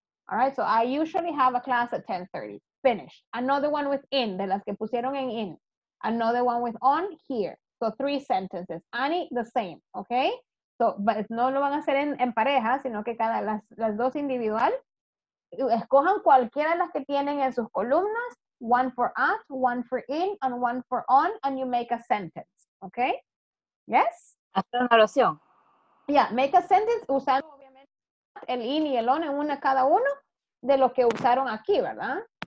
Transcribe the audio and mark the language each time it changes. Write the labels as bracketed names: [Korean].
[English] All right, so I usually have a class at 10:30. Finish. Another one with in, [Spanish] de las que pusieron en in. [English] Another one with on, here. So three sentences. Annie, the same, okay? [Spanish] So but no lo van a hacer en pareja, sino que cada las dos individual. Escojan cualquiera de las que tienen en sus columnas. [English] One for at, one for in, and one for on, and you make a sentence, okay? Yes. [Spanish] Hacer una oración. [English] Yeah, make a sentence [Spanish] usando obviamente el in y el on en una cada uno de lo que usaron aquí, ¿verdad?